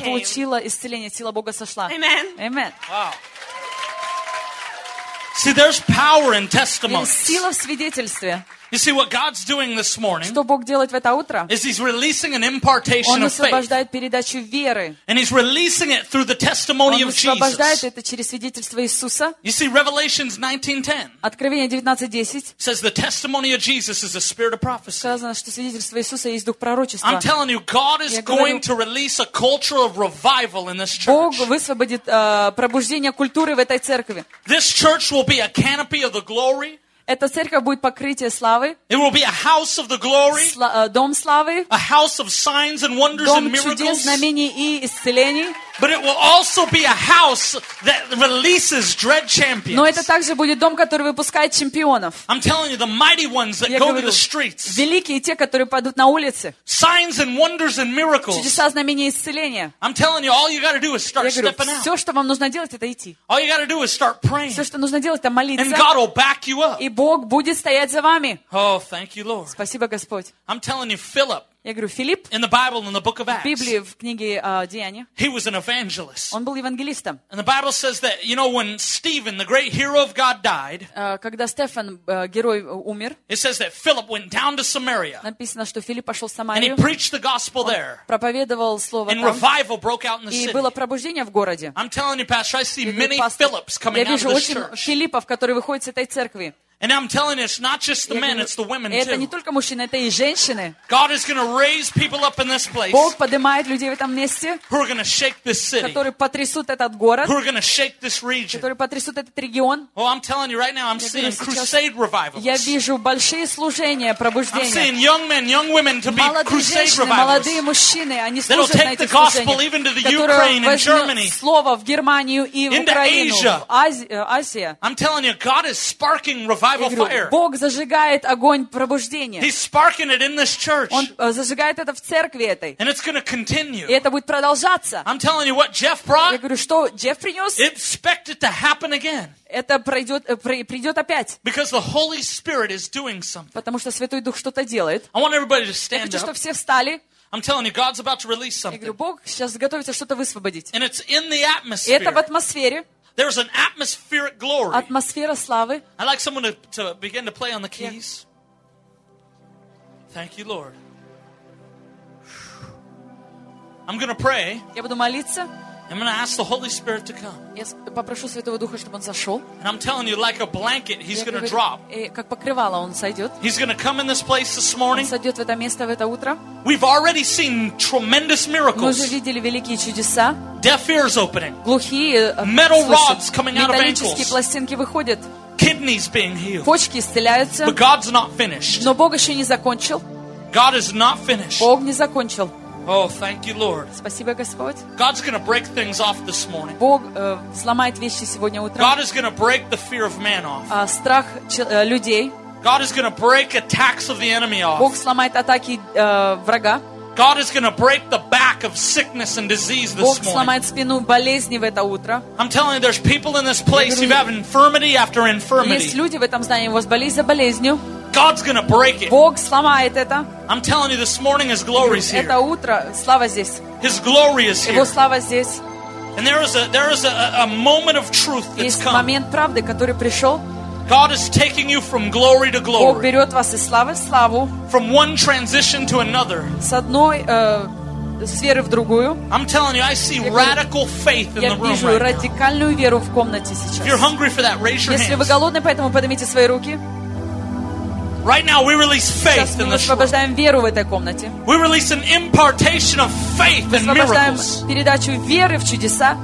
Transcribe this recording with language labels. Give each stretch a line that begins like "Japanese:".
Russian: Она получила исцеление, сила Бога сошла.
English: Amen. Amen. Wow. See, there's power in testimonies.
Russian: Есть сила в свидетельстве.
English: You see what God's doing this morning?
Russian: Что Бог делает в это утро?
English: Is He's releasing an impartation of faith?
Russian: Он освобождает передачу веры.
English: And He's releasing it through the testimony of Jesus.
Russian: Он освобождает это через свидетельство Иисуса.
English: You see Revelations 19:10.
Russian: Откровение 19:10.
English: Says the testimony of Jesus is the spirit of prophecy.
Russian: Сказано, что свидетельство Иисуса есть дух пророчества.
English: I'm telling you, God is going to release a culture of revival in this church.
Russian: Бог высвободит пробуждение культуры в этой церкви.
English: This church will be a canopy of the glory.
Russian: Эта церковь будет покрытие славы.
English: It will be a house of the glory.
Russian: Дом славы.
English: A house of signs and wonders and miracles.
Russian: Дом чудес, знамений и исцелений.
English: But it will also be a house that releases dread champions.
Russian: Но это также будет дом, который выпускает чемпионов.
English: I'm telling you, the mighty ones that go to the streets.
Russian: Великие те, которые пойдут на улицы.
English: Signs and wonders and miracles.
Russian: Чудеса, знамения и исцеления.
English: I'm telling you, all you got to do is start stepping out.
Russian: Все, что вам нужно делать, это идти.
English: All you got to do is start praying.
Russian: Все, что нужно делать, это молиться.
English: And God will back you up.
Russian: И Бог будет стоять за вами.
English: Oh, thank you, Lord.
Russian: Спасибо, Господь.
English: I'm telling you, Philip.
Russian: Я говорю, Филипп,
English: in the Bible, in the book of Acts,
Russian: в Библии, в книге Деяния, он был евангелистом. Когда Стефан, герой, умер,
English: it says that Philip went down to Samaria,
Russian: написано, что Филипп пошел в Самарию,
English: and he preached the gospel there,
Russian: он проповедовал слово
English: and
Russian: там,
English: revival broke out in the
Russian: и было пробуждение в городе.
English: I'm telling you, Pastor, I see many Philips coming
Russian: я вижу
English: out of this church.
Russian: Филиппов, которые выходят с этой церкви.
English: And I'm telling you, it's not just the men, it's the women too.
Russian: Это не только мужчины, это и женщины.
English: God is going to raise people up in this place.
Russian: Бог поднимает людей в этом месте.
English: Who are going to shake this city?
Russian: Которые потрясут этот город.
English: Who are going to shake this region?
Russian: Которые потрясут этот регион.
English: Oh, I'm telling you right now, I'm seeing crusade revivals.
Russian: Я вижу большие служения, пробуждения.
English: I'm seeing young men, young women to be crusade revivals.
Russian: Молодые мужчины, они служат на этих служениях.
English: That'll take the gospel even to the Ukraine and Germany.
Russian: Слово в Германию и в Украину, в Азию.
English: I'm telling you, God is sparking revival.
Russian: Бог зажигает огонь пробуждения.
English: He's sparking it in this church.
Russian: Он зажигает это в церкви этой.
English: And it's going to continue.
Russian: И это будет продолжаться.
English: I'm telling you what Jeff brought.
Russian: Я говорю, что Джефф принес?
English: Expect it to happen again.
Russian: Это придет опять.
English: Because the Holy Spirit is doing something.
Russian: Потому что Святой Дух что-то делает.
English: I want everybody to stand up.
Russian: Я хочу, чтобы все встали.
English: I'm telling you, God's about to release something.
Russian: Я говорю, Бог сейчас готовится что-то высвободить.
English: And it's in the atmosphere.
Russian: И это в атмосфере.
English: There's an atmospheric glory.
Russian: Атмосфера славы.
English: I'd like someone to begin to play on the keys. Thank you, Lord. I'm going to pray.
Russian: Я буду молиться.
English: I'm going to ask the Holy Spirit to come.
Russian: Я попрошу Святого Духа, чтобы он зашел.
English: And I'm telling you, like a blanket, he's going to drop.
Russian: Как покрывало, он сойдет.
English: He's going to come in this place this morning.
Russian: Он сойдет в это место в это утро.
English: We've already seen tremendous miracles.
Russian: Мы уже видели великие чудеса.
English: Deaf ears opening.
Russian: Глухие.
English: Metal rods coming out of ankles.
Russian: Металлические пластинки выходят.
English: Kidneys being healed.
Russian: Почки исцеляются.
English: But God's not finished.
Russian: Но Бог еще не закончил.
English: God is not finished.
Russian: Бог не закончил.
English: Oh, thank you, Lord.
Russian: Спасибо, Господь.
English: God's going to break things off this morning.
Russian: Бог сломает вещи сегодня утром.
English: God is going to break the fear of man off.
Russian: Страх людей.
English: God is going to break attacks of the enemy off.
Russian: Бог сломает атаки врага.
English: God is going to break the back of sickness and disease this morning.
Russian: Бог сломает спину болезни в это утро.
English: I'm telling you, there's people in this place who have infirmity after infirmity.
Russian: Есть люди в этом здании, у вас болезнь за болезнью.
English: God's going to break it.
Russian: Бог сломает это.
English: I'm telling you, this morning His glory is here.
Russian: Это утро, слава здесь.
English: His glory is here.
Russian: Его слава здесь.
English: And there is a moment of truth that's come.
Russian: Есть момент правды, который пришел.
English: God is taking you from glory to glory.
Russian: Бог берет вас из славы в славу.
English: From one transition to another.
Russian: С одной сферы в другую.
English: I'm telling you, I see radical faith in the room.
Russian: Я вижу радикальную веру в комнате сейчас.
English: If you're hungry for that, raise your hands.
Russian: Если вы голодны, поэтому поднимите свои руки.
English: Right now we release faith in this room.
Russian: Сейчас мы освобождаем веру в этой комнате.
English: We release an impartation of faith and miracles.
Russian: Мы освобождаем передачу веры в чудеса.